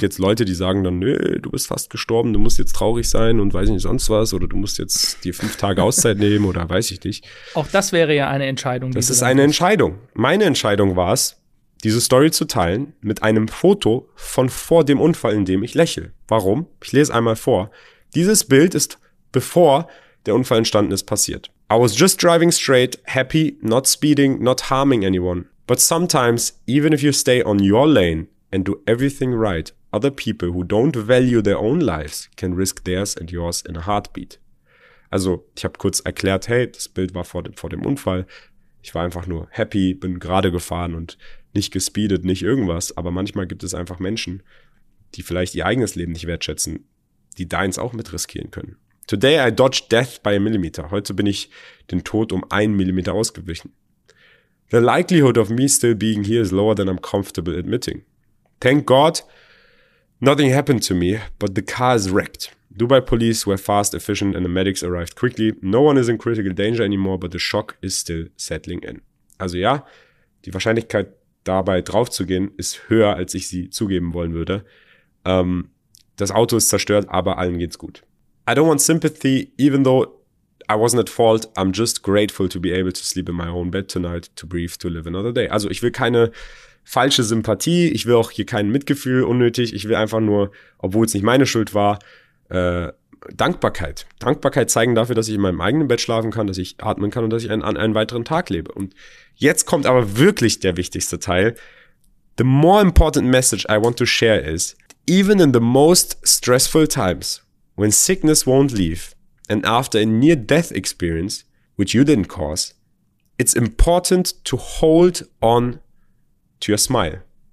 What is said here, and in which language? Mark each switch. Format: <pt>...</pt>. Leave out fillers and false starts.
<de>jetzt Leute, die sagen dann, nö, du bist fast gestorben, du musst jetzt traurig sein und weiß nicht sonst was oder du musst jetzt dir 5 Tage Auszeit nehmen oder weiß ich nicht. Auch das wäre ja eine Entscheidung, die Das du ist dann eine triffst. Entscheidung. Meine Entscheidung war es, diese Story zu teilen mit einem Foto von vor dem Unfall, in dem ich lächle. Warum? Ich lese einmal vor. Dieses Bild ist bevor der Unfall entstanden ist, passiert.</de> <en>I was just driving straight, happy, not speeding, not harming anyone. But sometimes, even if you stay on your lane and do everything right, other people who don't value their own lives can risk theirs and yours in a heartbeat.</en> <de>Also, ich habe kurz erklärt, hey, das Bild war vor dem Unfall. Ich war einfach nur happy, bin gerade gefahren und nicht gespeedet, nicht irgendwas. Aber manchmal gibt es einfach Menschen, die vielleicht ihr eigenes Leben nicht wertschätzen, die deins auch mit riskieren können.</de> <en>Today I dodged death by a millimeter.</en> <de>Heute bin ich dem Tod um einen Millimeter ausgewichen.</de> <en>The likelihood of me still being here is lower than I'm comfortable admitting. Thank God, nothing happened to me, but the car is wrecked. Dubai police were fast, efficient and the medics arrived quickly. No one is in critical danger anymore, but the shock is still settling in.</en> <de>Also ja, die Wahrscheinlichkeit dabei draufzugehen ist höher, als ich sie zugeben wollen würde. Das Auto ist zerstört, aber allen geht's gut.</de> <en>I don't want sympathy, even though I wasn't at fault. I'm just grateful to be able to sleep in my own bed tonight, to breathe, to live another day.</en> <de>Also ich will keine falsche Sympathie, ich will auch hier kein Mitgefühl unnötig. Ich will einfach nur, obwohl es nicht meine Schuld war, Dankbarkeit. Dankbarkeit zeigen dafür, dass ich in meinem eigenen Bett schlafen kann, dass ich atmen kann und dass ich einen weiteren Tag lebe. Und jetzt kommt aber wirklich der wichtigste Teil.</de> <en>The more important message I want to share is, even in the most stressful times, when sickness won't leave and after a near-death experience, which you didn't cause, it's important to hold on to your smile.</en>